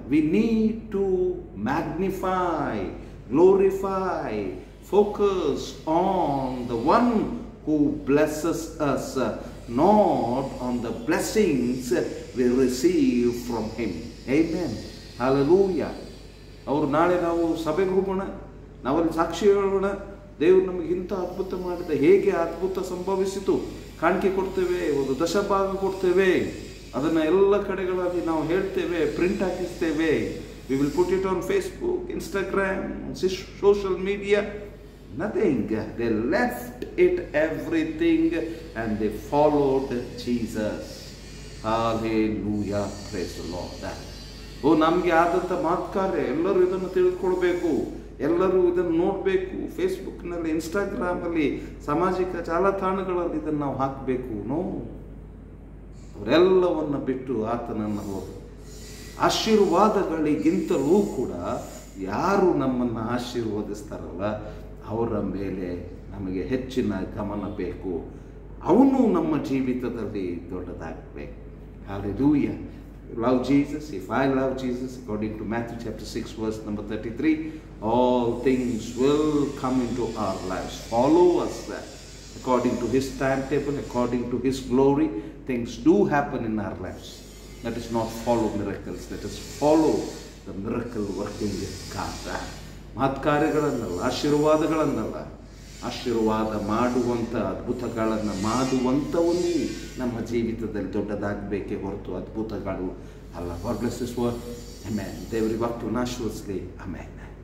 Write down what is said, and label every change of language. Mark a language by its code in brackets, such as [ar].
[en] We need to magnify, glorify, focus on the one who blesses us, not on the blessings we receive from him. Amen. Hallelujah. [kn] ಅವರು ನಾಳೆ ನಾವು ಸಭೆಗೆ ಹೋಗೋಣ, ನಾವಲ್ಲಿ ಸಾಕ್ಷಿ ಹೇಳೋಣ, ದೇವರು ನಮಗೆ ಇಂಥ ಅದ್ಭುತ ಮಾಡಿದ, ಹೇಗೆ ಅದ್ಭುತ ಸಂಭವಿಸಿತು, ಕಾಣಿಕೆ ಕೊಡ್ತೇವೆ, ಒಂದು ದಶಭಾಗ ಕೊಡ್ತೇವೆ, ಅದನ್ನು ಎಲ್ಲ ಕಡೆಗಳಲ್ಲಿ ನಾವು ಹೇಳ್ತೇವೆ, print ಹಾಕಿಸ್ತೇವೆ. [en] We will put it on Facebook, Instagram, social media. Nothing. They left it everything and they followed Jesus. Hallelujah. Praise the Lord. [kn] ಓ, ನಮಗೆ ಆದಂಥ ಮಾತುಕಾರ್ಯ ಎಲ್ಲರೂ ಇದನ್ನು ತಿಳ್ಕೊಳ್ಬೇಕು, ಎಲ್ಲರೂ ಇದನ್ನು ನೋಡಬೇಕು, ಫೇಸ್ಬುಕ್ನಲ್ಲಿ, ಇನ್ಸ್ಟಾಗ್ರಾಮಲ್ಲಿ, ಸಾಮಾಜಿಕ ಜಾಲತಾಣಗಳಲ್ಲಿ ಇದನ್ನು ನಾವು ಹಾಕಬೇಕು. ನೋ, ಅವರೆಲ್ಲವನ್ನು ಬಿಟ್ಟು ಆತನನ್ನು ಹೋದರು. ಆಶೀರ್ವಾದಗಳಿಗಿಂತಲೂ ಕೂಡ ಯಾರು ನಮ್ಮನ್ನು ಆಶೀರ್ವದಿಸ್ತಾರಲ್ಲ, ಅವರ ಮೇಲೆ ನಮಗೆ ಹೆಚ್ಚಿನ ಗಮನ ಬೇಕು. ಅವನು ನಮ್ಮ ಜೀವಿತದಲ್ಲಿ ದೊಡ್ಡದಾಗಬೇಕು. Hallelujah. [en] love Jesus, if I love Jesus, according to Matthew chapter 6, verse number 33, all things will come into our lives. Follow us there. According to His timetable, according to His glory, things do happen in our lives. Let us not follow miracles. Let us follow the miracle working God. [kn] ಮಹತ್ಕಾರ್ಯಗಳನ್ನಲ್ಲ ಆಶೀರ್ವಾದಗಳನ್ನಲ್ಲ ಆಶೀರ್ವಾದ ಮಾಡುವಂಥ ಅದ್ಭುತಗಳನ್ನು ಮಾಡುವಂಥವನ್ನು ನಮ್ಮ ಜೀವಿತದಲ್ಲಿ ದೊಡ್ಡದಾಗಬೇಕೇ ಹೊರತು ಅದ್ಭುತಗಳು ಅಲ್ಲ. [en] God bless this word. [kn] Amen. ದೇವರಿಗೆ ಭಕ್ತನ ಆಶೀರ್ವದಿಸಲಿ. ಆಮೆನ್.